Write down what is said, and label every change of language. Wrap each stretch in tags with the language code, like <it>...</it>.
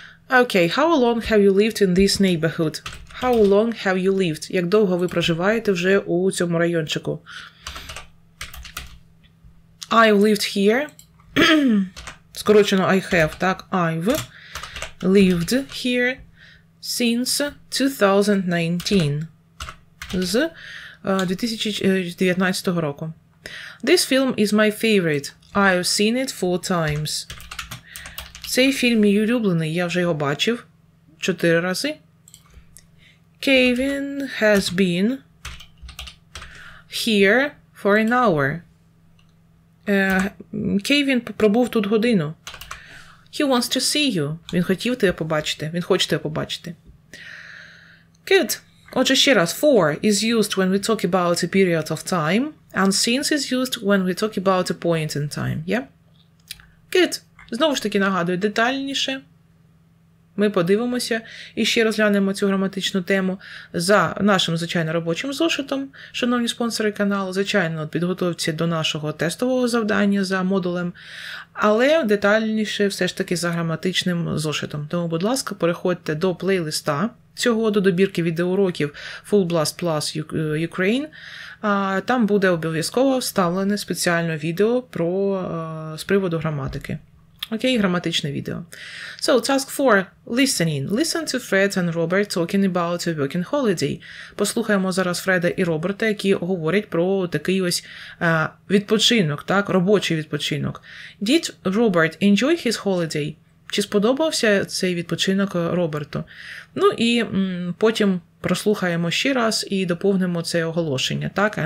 <en>Okay, how long have you lived in this neighborhood? How long have you lived?</en> <uk>Як довго ви проживаєте вже у цьому райончику?</uk> <en>I've lived here.</en> <uk>Скорочено</uk> <en>I have,</en> <uk>так?</uk> <en>I've lived here since 2019.</en> <uk>З 2019 року.</uk> <en>This film is my favorite. I've seen it four times.</en> <uk>Цей фільм мій улюблений, я вже його бачив 4 рази.</uk> <en>Kevin has been here for an hour. Kevin</en> <uk>пробув тут годину.</uk> <en>He wants to see you.</en> <uk>Він хотів тебе побачити. Він хоче тебе побачити.</uk> <en>Good.</en> <uk>Отже, ще раз.</uk> <en>For is used when we talk about a period of time. And since is used when we talk about a point in time. Yeah? Good.</en> <uk>Знову ж таки нагадую, детальніше. Ми подивимося і ще розглянемо цю граматичну тему за нашим, звичайно, робочим зошитом, шановні спонсори каналу, звичайно, підготовці до нашого тестового завдання за модулем, але детальніше все ж таки за граматичним зошитом. Тому, будь ласка, переходьте до плейлиста цього, до добірки відеоуроків Full Blast Plus Ukraine. Там буде обов'язково вставлене спеціальне відео про, з приводу граматики. Окей, граматичне відео.</uk> <en>So, task 4. Listening. Listen to Fred and Robert talking about a working holiday.</en> <uk>Послухаємо зараз Фреда і Роберта, які говорять про такий ось відпочинок, так? Робочий відпочинок.</uk> <en>Did Robert enjoy his holiday?</en> <uk>Чи сподобався цей відпочинок Роберту? Ну і потім прослухаємо ще раз і доповнимо це оголошення, так?</uk>